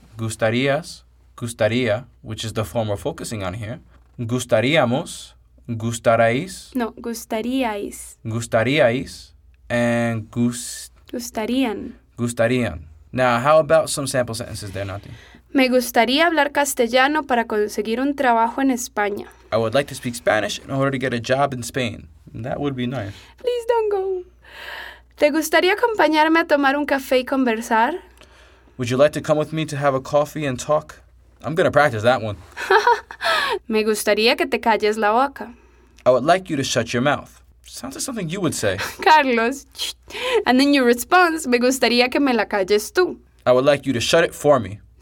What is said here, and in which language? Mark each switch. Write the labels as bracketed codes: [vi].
[es] Gustarías. [en] Gustaría, which is the form we're focusing on here. [es] Gustaríamos. Gustaráis. No, gustaríais. Gustaríais. And Gustarían. Gustarían. [en] Now, how about some sample sentences there, Nati? [es] Me gustaría hablar castellano para conseguir un trabajo en España. [en] I would like to speak Spanish in order to get a job in Spain. That would be nice. Please don't go. [es] ¿Te gustaría acompañarme a tomar un café y conversar? [en] Would you like to come with me to have a coffee and talk? I'm going to practice that one. [es] Me gustaría que te calles la boca. [en] I would like you to shut your mouth. Sounds like something you would say. Carlos. And then your response, [es] me gustaría que me la calles tú. [en] I would like you to shut it for me.